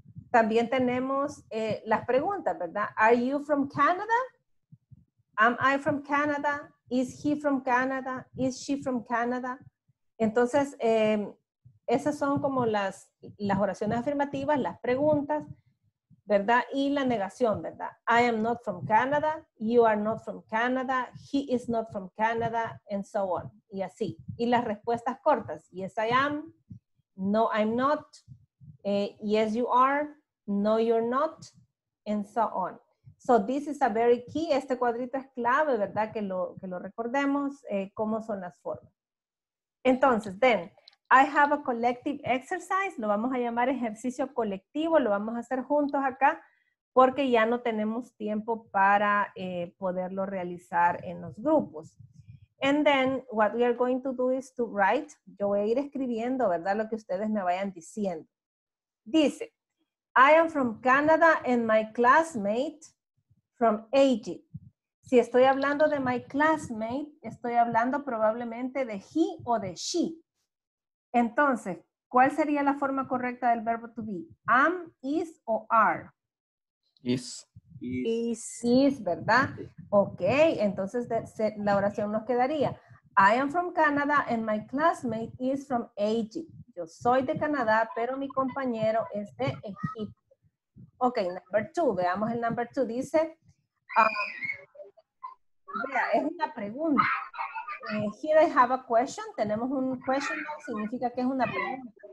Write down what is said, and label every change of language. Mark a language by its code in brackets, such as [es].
[es] También tenemos, las preguntas, ¿verdad? [en] Are you from Canada? Am I from Canada? Is he from Canada? Is she from Canada? [es] Entonces, esas son como las oraciones afirmativas, las preguntas, ¿verdad? Y la negación, ¿verdad? [en] I am not from Canada, you are not from Canada, he is not from Canada, and so on. [es] Y así. Y las respuestas cortas. [en] Yes, I am. No, I'm not. Yes, you are. No, you're not. And so on. So this is a very key. [es] Este cuadrito es clave, ¿verdad? Que lo recordemos cómo son las formas. Entonces, [en] then, I have a collective exercise, [es] lo vamos a llamar ejercicio colectivo, lo vamos a hacer juntos acá, porque ya no tenemos tiempo para poderlo realizar en los grupos. [en] And then, what we are going to do is to write, [es] yo voy a ir escribiendo, ¿verdad? Lo que ustedes me vayan diciendo. [en] Dice, I am from Canada and my classmate from Egypt. [es] Si estoy hablando de my classmate, estoy hablando probablemente de he o de she. Entonces, ¿cuál sería la forma correcta del verbo to be? Am, is o are? [en] Is. [es] Is, ¿verdad? Ok, entonces la oración nos quedaría. [en] I am from Canada and my classmate is from Egypt. [es] Yo soy de Canadá, pero mi compañero es de Egipto. Ok, number two, veamos el number two. Dice, vea, es una pregunta. [en] Here I have a question. [es] Tenemos un question mark, significa que es una pregunta.